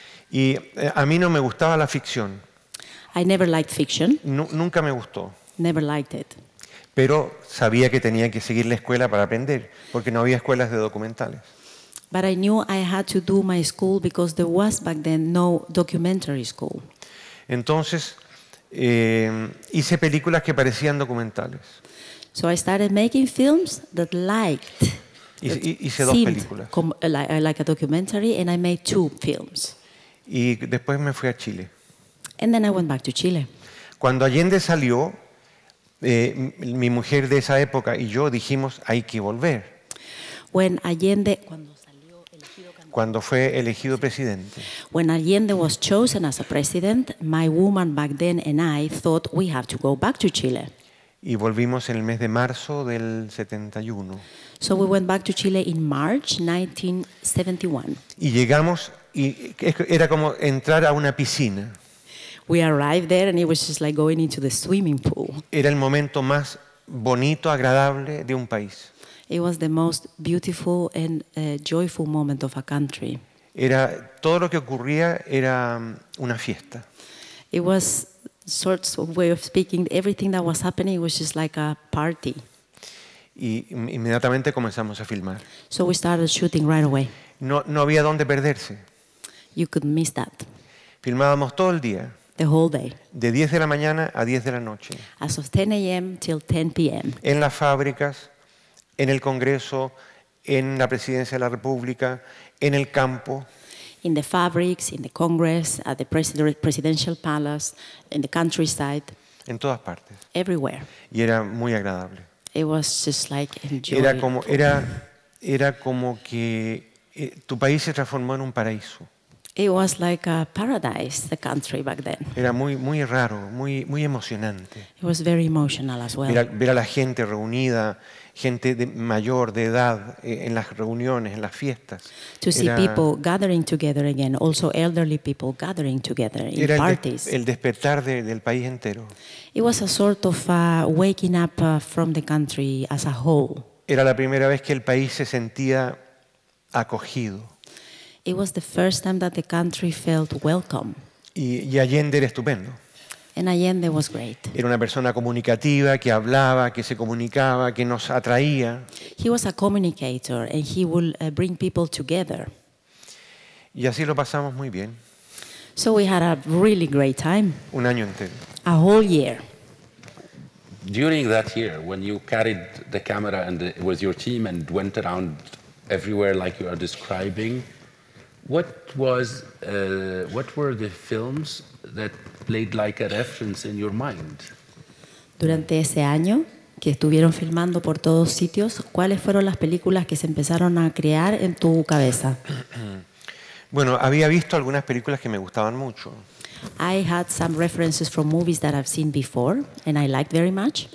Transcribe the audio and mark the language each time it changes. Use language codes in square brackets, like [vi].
[es] Y a mí no me gustaba la ficción. [en] I never liked fiction. [es] Nunca me gustó. [en] Never liked it. [es] Pero sabía que tenía que seguir la escuela para aprender, porque no había escuelas de documentales. [en] But I knew I had to do my school because there was back then no documentary school. [es] Entonces, Hice películas que parecían documentales. [en] So I started making films that liked. [es] Hice dos películas. [en] Like a documentary, and I made two films. [es] Y después me fui a Chile. [en] And then I went back to Chile. [es] Cuando Allende salió, mi mujer de esa época y yo dijimos, hay que volver. [en] When Allende, [es] cuando salió elegido candidato. Cuando fue elegido presidente. [en] When Allende was chosen as a president, my woman back then and I thought we have to go back to Chile. [es] Y volvimos en el mes de marzo del 71. [en] So we went back to Chile in March 1971. [es] Y llegamos y era como entrar a una piscina. [en] We arrived there and it was just like going into the swimming pool. [es] Era el momento más bonito, agradable de un país. [en] It was the most beautiful and joyful moment of a country. [es] Era todo lo que ocurría era una fiesta. [en] It was sorts of way of speaking, everything that was happening was just like a party. [es] Y inmediatamente comenzamos a filmar. [en] So we started shooting right away. [es] No había dónde perderse. [en] You could miss that. [es] Filmábamos todo el día. [en] The whole day. [es] De 10 de la mañana a 10 de la noche. [en] As of 10 a.m. till 10 p.m. [es] En las fábricas, en el Congreso, en la Presidencia de la República, en el campo. [en] In the fabrics, in the Congress, at the presidential palace, in the countryside. [es] En todas partes. [en] Everywhere. [es] Y era muy agradable. [en] It was just like enjoyable. [es] Era como que tu país se transformó en un paraíso. [en] It was like a paradise, the country back then. [es] Era muy muy raro, muy muy emocionante. [en] It was very emotional as well. [es] Ver a la gente reunida, gente de mayor de edad en las reuniones, en las fiestas. [en] To see people gathering together again, also elderly people gathering together in [es] era [en] parties. [es] El despertar del país entero. [en] It was a sort of a waking up from the country as a whole. [es] Era la primera vez que el país se sentía acogido. [en] It was the first time that the country felt welcome. [es] Y Allende era estupendo. [en] And Allende was great. [es] Era una persona comunicativa, que hablaba, que se comunicaba, que nos atraía. [en] He was a communicator and he would bring people together. [es] Y así lo pasamos muy bien. [en] So we had a really great time. [es] Un año entero. [en] A whole year. During that year, when you carried the camera and it was your team and went around everywhere like you are describing, what were the films that played like a reference in your mind? [es] Durante ese año que estuvieron filmando por todos sitios, ¿cuáles fueron las películas que se empezaron a crear en tu cabeza? Bueno, había visto algunas películas que me gustaban mucho. [en] I had some references from movies that I've seen before and I liked very much.